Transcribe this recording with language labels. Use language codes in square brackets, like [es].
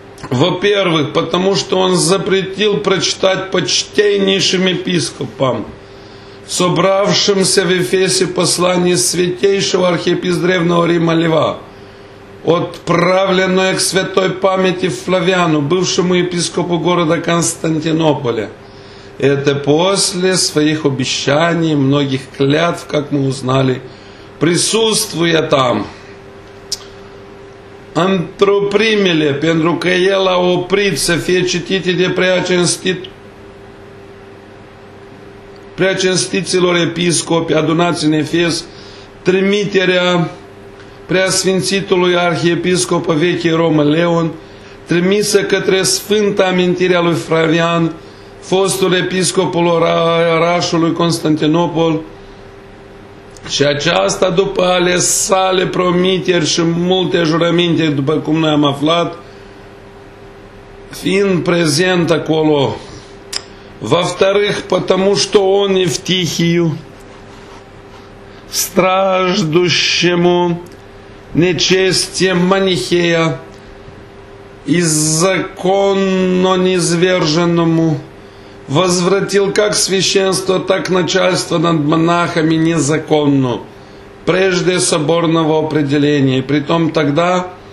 [ru] Во-первых, потому что он запретил прочитать почтеннейшим епископам, собравшимся в Эфесе послание святейшего архиепископа Древнего Рима Льва, отправленное к святой памяти Флавиану, бывшему епископу города Константинополя. Это после своих обещаний, многих клятв, как мы узнали, присутствуя там. [ro] Антропримеле, pentru că el a oprit să fie citite de preacinstiților episcopi adunați în Efes, trimiterea preasfințitului arhiepiscopă vechei Romă, Leon, trimisă către sfânta amintirea lui Flavian, fostul episcopul orașului Constantinopol, și aceasta după ale sale promiteri și multe jurăminte, după cum noi am aflat, fiind prezent acolo. [ru] Во-вторых, потому что он Евтихию, страждущему нечестием манихея, и законно низверженному, возвратил как священство, так начальство над монахами незаконно, прежде соборного определения, и притом тогда,